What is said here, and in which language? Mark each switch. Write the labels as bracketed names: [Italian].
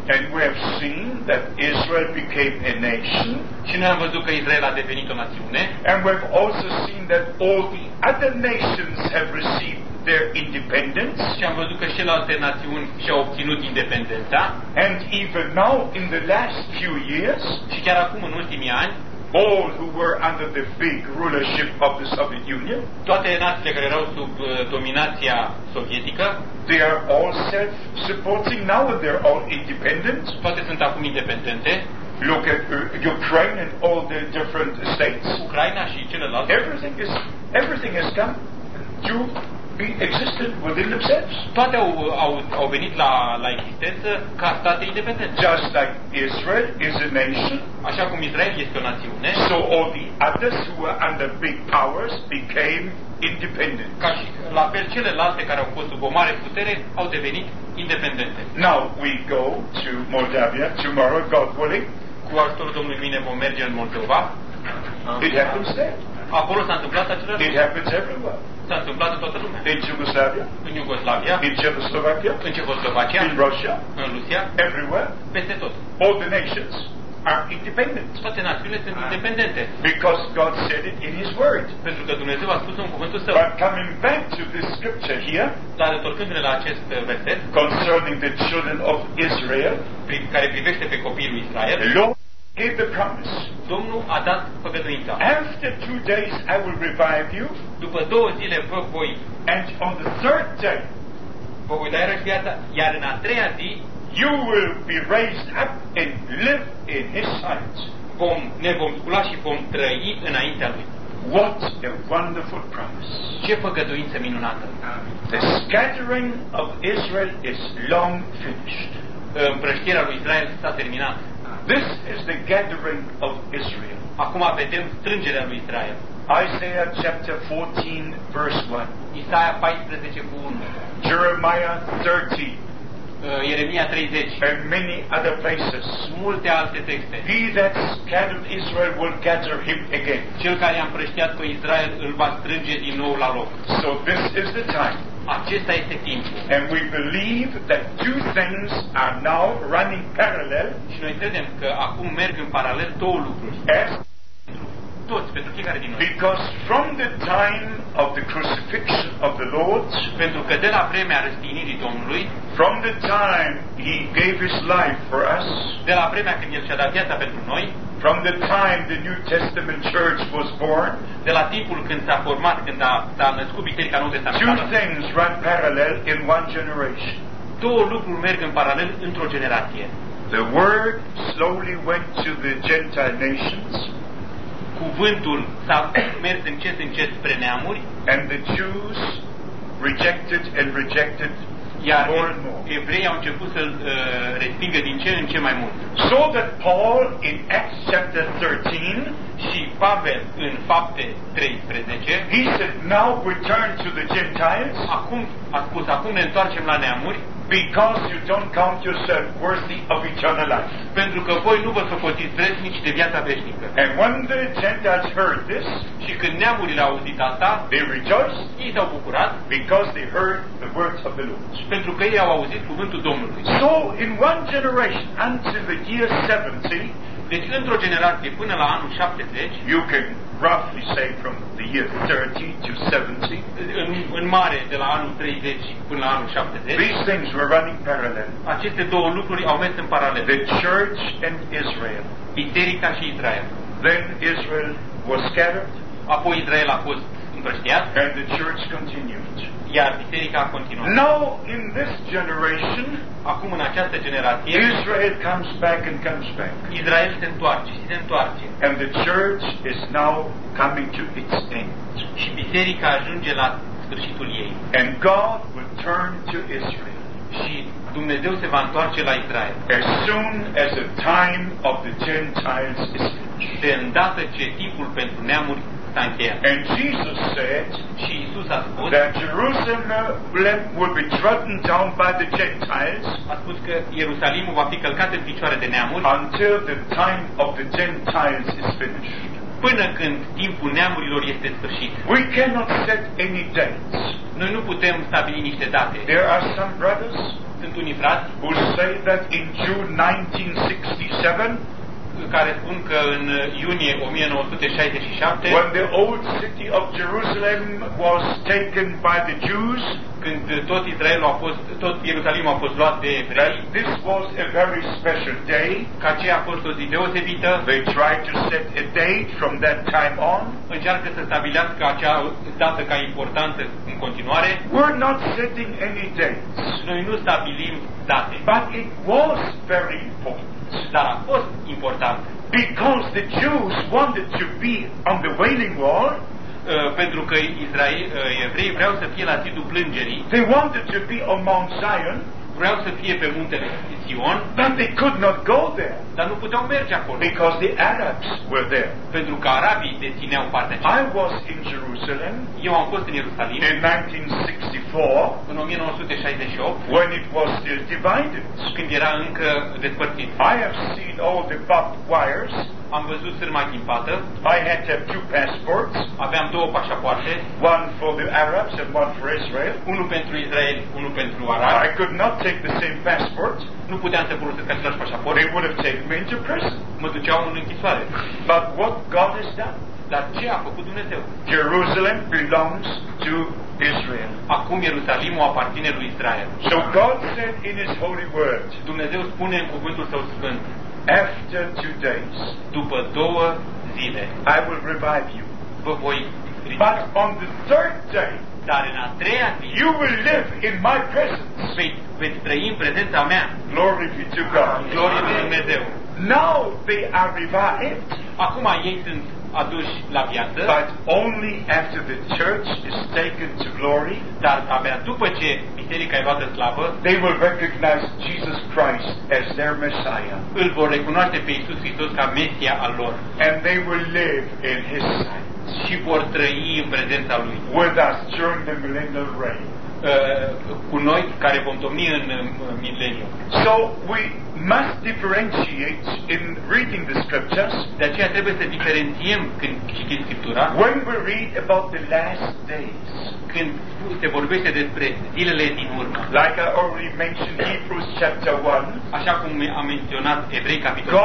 [English] And we have seen that Israel became a nation. [Romanian] Și noi am văzut că Israel a devenit o națiune. [English] And we have also seen that all the other nations have received their independence. [Romanian] Și am văzut că și celelalte națiuni și-au obținut independența. [English] And even now in the last few years, [Romanian] și chiar acum în ultimii ani, [English] all who were under the big rulership of the Soviet Union, [Romanian] toate națiile care erau sub dominația sovietică, [English] they are all self-supporting now and they're all independent. [Romanian] Toate sunt acum independente. [English] Look at Ukraine and all the different states. [Romanian] Ucraina și celelalte. [English] Everything has come to be existent within themselves. [Romanian] Toate au venit la existență ca state independente. [English] Just like Israel is a nation. [Romanian] Așa cum Israel este o națiune. [English] So all the others who were under big powers became independent. [Romanian] Ca și la fel celelalte care au fost sub o mare putere au devenit independente. [English] Now we go to Moldavia tomorrow, God willing. [Romanian] Cu ajutorul Domnului mine vom merge în Moldova. [English] It happens there. [Romanian] Acolo s-a întâmplat acela lucru. [English] It happens everywhere. [Romanian] S-a întâmplat în toată lumea. [English] In Yugoslavia. [Romanian] În Iugoslavia. [English] In Czechoslovakia. [Romanian] În Cehoslovacia. [English] In Russia. [Romanian] În Rusia. [English] Everywhere. [Romanian] Peste tot. [English] All the nations. are independent. [Romanian] Toate națiunile sunt independente. [English] Because God said it in His Word. [Romanian] Pentru că Dumnezeu a spus-o în cuvântul Său. [English] But coming back to this scripture here, [Romanian] dar întorcându-ne la acest verset, [English] concerning the children of Israel, [Romanian] care privește pe copiii lui Israel, [English] gave the promise. [Romanian] Domnul a dat făgăduința. [English] After 2 days I will revive you. [Romanian] După două zile vă voi. [English] And on the third day, [Romanian] vă voi da iarăși viața. Iar în a treia zi, [English] you will be raised up and live in His sight. [Romanian] Vom, ne vom scula și vom trăi înaintea Lui. [English] What a wonderful promise. [Romanian] Ce făgăduință minunată. [English] The scattering of Israel is long finished. [Romanian] Împrăștirea lui Israel s-a terminat. [English] This is the gathering of Israel. [Romanian] Acum vedem strângerea lui Israel. [English] Isaiah chapter 14 verse 1. [Romanian] Isaia 14:1. [English] Jeremiah 30. [Romanian] Ieremia 30. [English] And many other places. [Romanian] Multe alte texte. [English] He that scattered Israel will gather him again. [Romanian] Cel care a împrăștiat pe Israel îl va strânge din nou la loc. [English] So this is the time. [Romanian] Acesta este timpul. [English] And we believe that two things are now running parallel. [Romanian] Și noi credem că acum merg în paralel două lucruri. [English] As [Romanian] toți, pentru fiecare din noi. [English] Because from the time of the crucifixion of the Lord, [Romanian] pentru că de la vremea răstignirii Domnului, [English] from the time He gave His life for us, [Romanian] de la vremea când El și-a dat viața pentru noi, [English] from the time the New Testament Church was born, [Romanian] de la timpul când s-a format, când s-a născut Biserica Nouă Testamentală, [English] two things run parallel in one generation. [Romanian] Două lucruri merg în paralel într-o generație. [English] The word slowly went to the Gentile nations. [Romanian] Cuvântul s-a mers încet încet spre neamuri. [English] And the Jews rejected and rejected [Romanian] iar [English] more and more. [Romanian] Evreii au început să respingă din ce în ce mai mult. [English] So that Paul in Acts chapter 13, [Romanian] și Pavel în Fapte 13, [English] he said, now return to the Gentiles. [Romanian] Acum a spus, acum ne întoarcem la neamuri. [English] Because you don't count yourself worthy of eternal life. [Romanian] Pentru că voi nu vă socotiți vrednici de viața veșnică. [English] And when the Gentiles heard this, [Romanian] și când neamurile au auzit asta, [English] they rejoiced. [Romanian] Ei s-au bucurat. [English] Because they heard the words of the Lord. [Romanian] Pentru că ei au auzit cuvântul Domnului. [English] So in one generation until the year 70, [Romanian] deci într-o generație până la anul 70, [English] you can roughly say from the year 30 to 70, [Romanian] în mare de la anul 30 până la anul 70, [English] these things were running parallel. [Romanian] Aceste două lucruri au mers în paralel. [English] The church and Israel. [Romanian] Biserica și Israel. [English] Then Israel was scattered. [Romanian] Apoi Israel a fost împrăștiat. [English] And the church continued. [Romanian] Iar biserica a continuat. [English] Now in this generation, [Romanian] acum în această generație, [English] Israel comes back and comes back. [Romanian] Israel se întoarce și se întoarce. [English] And the church is now coming to its end. [Romanian] Și biserica ajunge la sfârșitul ei. [English] And God will turn to Israel. [Romanian] Și Dumnezeu se va întoarce la Israel. [English] As soon as the time of the Gentiles is finished. [Romanian] De îndată ce timpul pentru neamuri. [English] And Jesus said, [Romanian] și Isus a spus, [English] that Jerusalem will be trodden down by the Gentiles, [Romanian] a spus că Ierusalimul va fi călcat în picioare de neamuri, [English] until the time of the Gentiles is finished. [Romanian] Până când timpul neamurilor este sfârșit. [English] We cannot set any dates. [Romanian] Noi nu putem stabili niște date. [English] There are some brothers, [Romanian] sunt unii frați, [English] who say that in June 1967, [Romanian] care spun că în iunie 1967, [English] when the old city of Jerusalem was taken by the Jews, [Romanian] când tot Israelul a fost, tot Ierusalimul a fost luat de evrei, [English] this was a very special day, [Romanian] că aceea a fost o zi deosebită. [English] They tried to set a date from that time on, [Romanian] încearcă să stabilească acea dată ca importantă în continuare. [English] We're not setting any dates. [Romanian] Noi nu stabilim date. [English] But it was very important. [Romanian] Dar a fost important. [English] Because the Jews wanted to be on the Wailing Wall, [Romanian] pentru că evreii vreau să fie la zidul plângerii. [English] They wanted to be on Mount Zion, [Romanian] vreau să fie pe muntele Sion. [English] But they could not go there, [Romanian] dar nu puteau merge acolo. [English] Because the Arabs were there, [Romanian] pentru că arabii dețineau partea aceea. [English] I was in Jerusalem, [Romanian] eu am fost în Ierusalim, [English] in 1964, [Romanian] în 1968, [English] when it was still divided, [Romanian] când era încă despărțit. [English] I have seen all the barbed wires, [Romanian] am văzut sârma ghimpată. [English] I had to have two passports, [Romanian] aveam două pașapoarte, [English] one for the Arabs and one for Israel, [Romanian] unul pentru Israel, unul pentru arab. [English] I could not take the same passport, [Romanian] nu puteam să folosesc același pașaport. [English] They would have taken me into prison, [Romanian] mă duceau în închisoare. [English] But what God has done? [Romanian] Dar ce a făcut Dumnezeu? [English] Jerusalem belongs to Israel. [Romanian] Acum Ierusalimul aparține lui Israel. [English] So God said in His holy word. [Romanian] Dumnezeu spune în cuvântul Său sfânt. [English] After 2 days. [Romanian] După 2 zile. [English] I will revive you. [Romanian] Vă voi ridica. [English] But on the 3rd day. [Romanian] Dar în a treia zi. [English] You will live in my presence. [Romanian] Veți trăi în prezența mea. [English] Glory be to God. [Romanian] Glorie lui Dumnezeu. [English] Now they are revived. [Romanian] Acum ei sunt aduși la viață. [English] But only after the church is taken to glory. [Romanian] Dar abia după ce biserica e luată slavă, [English] they will recognize Jesus Christ as their Messiah. [Romanian] Îl vor recunoaște pe Iisus Hristos ca Mesia al lor. [English] And they will live in His sight. [Romanian] Și vor trăi în prezența Lui. [English] With us during the millennial reign. [Romanian] Cu noi care vom domni în mileniu. [English] So we must differentiate in reading the scriptures. [Romanian] De aceea trebuie să diferențiem când citim Scriptura. [English] When we read about the last days. [Romanian] Când se vorbește despre zilele din urmă. [English] Like I already mentioned Hebrews chapter 1. [Romanian] Așa cum am menționat Evrei capitolul.